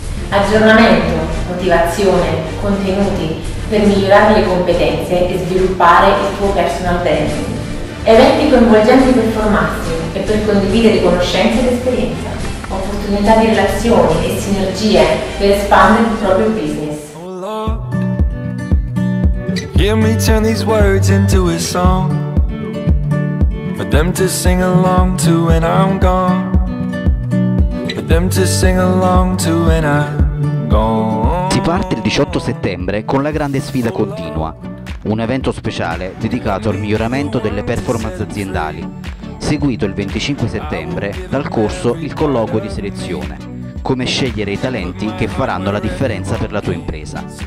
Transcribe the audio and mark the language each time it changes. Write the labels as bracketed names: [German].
[Italian] Aggiornamento, motivazione, contenuti per migliorare le competenze e sviluppare il tuo personal branding. Eventi coinvolgenti per formarsi e per condividere conoscenze ed esperienza. Opportunità di relazioni e sinergie per espandere il proprio business. [English] Hear me turn these words into a song. For them to sing along to when I'm gone. For them to sing along to when I'm gone. [Italian] Si parte il 18 settembre con la grande sfida continua, un evento speciale dedicato al miglioramento delle performance aziendali, seguito il 25 settembre dal corso Il colloquio di selezione, come scegliere i talenti che faranno la differenza per la tua impresa.